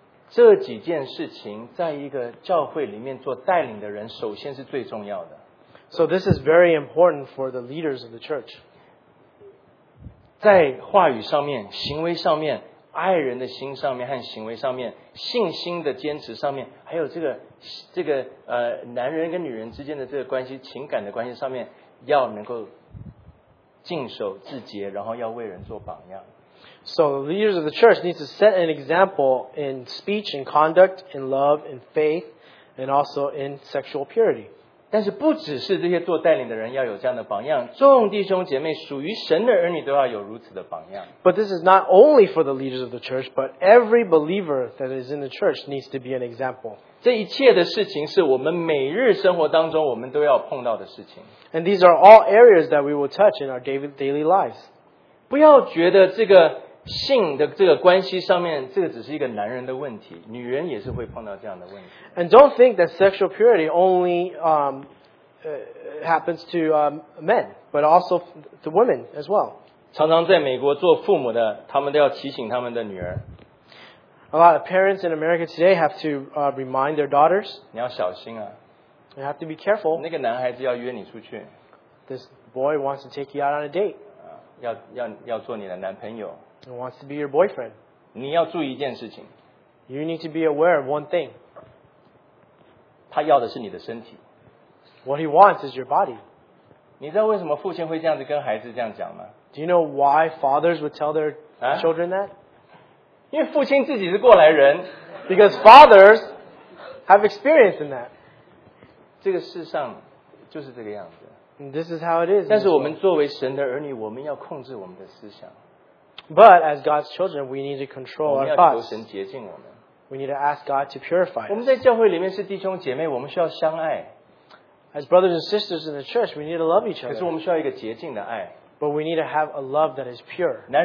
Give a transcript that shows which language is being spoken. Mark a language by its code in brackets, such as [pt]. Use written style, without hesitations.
[zh] 这几件事情在一个教会里面做带领的人首先是最重要的。 [en] So this is very important for the leaders of the church. [zh] 在话语上面、行为上面、爱人的心上面和行为上面、信心的坚持上面，还有这个男人跟女人之间的这个关系、情感的关系上面，要能够尽守自洁，然后要为人做榜样。 [en] So the leaders of the church need to set an example in speech, in conduct, in love, in faith, and also in sexual purity. [zh] 但是不只是这些做带领的人要有这样的榜样，众弟兄姐妹属于神的儿女都要有如此的榜样。 [en] But this is not only for the leaders of the church, but every believer that is in the church needs to be an example. [zh] 这一切的事情是我们每日生活当中我们都要碰到的事情。 [en] And these are all areas that we will touch in our daily lives. [zh] 不要觉得这个性的这个关系上面，这个只是一个男人的问题，女人也是会碰到这样的问题。 [en] And don't think that sexual purity only happens to men, but also to women as well. [zh] 常常在美国做父母的，他们都要提醒他们的女儿。 [en] A lot of parents in America today have to remind their daughters. [zh] 你要小心啊。 [en] You have to be careful. [zh] 那个男孩子要约你出去。 [en] This boy wants to take you out on a date. [zh] 要做你的男朋友。 [en] He wants to be your boyfriend. [zh] 你要注意一件事情。 [en] You need to be aware of one thing. [zh] 他要的是你的身体。 [en] What he wants is your body. [zh] 你知道为什么父亲会这样子跟孩子这样讲吗？ [en] Do you know why fathers would tell their children that? [zh] 因为父亲自己是过来人。 [en] Because fathers have experience in that. [zh] 这个世上就是这个样子。 [en] And this is how it is. [zh] 但是我们作为神的儿女，我们要控制我们的思想。 [en] But as God's children, we need to control our thoughts. We need to ask God to purify us. As brothers and sisters in the church, we need to love each other. But we need to have a love that is pure.